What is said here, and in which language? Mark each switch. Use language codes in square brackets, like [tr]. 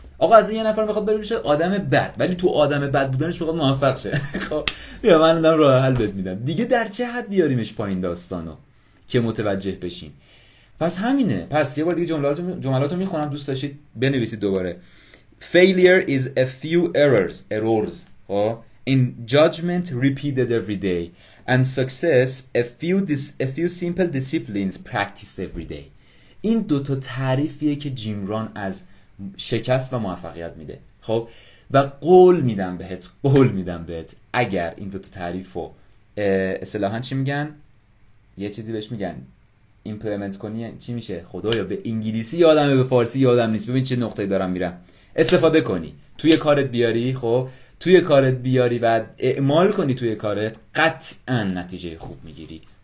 [fa] آقا اصلا یه نفر میخواد بره آدم بد، ولی تو آدم بد بودنش میخواد موفق شه. خب بیا من دارم راه حل بهت میدم دیگه، در چه حد بیاریمش پایین داستانو که متوجه بشین. پس همینه. پس یه بار دیگه جملاتو میخونم، دوست داشتید بنویسید دوباره. [en] Failure is a few errors in judgment repeated every day, and success a few simple disciplines practiced every day. [fa] این دوتا تعریفیه که جیم ران از شکست و موفقیت میده. خب و قول میدم بهت اگر این دوتا تعریف رو اصطلاحا چی میگن، یه چیزی بهش میگن implement کنی، چی میشه، خدایا به انگلیسی یادمه، به فارسی یادم نیست، ببین چه نقطه‌ای دارم میرم، استفاده کنی توی کارت بیاری، خب توی کارت بیاری و اعمال کنی توی کارت، قطعا نتیجه خوب میگیری.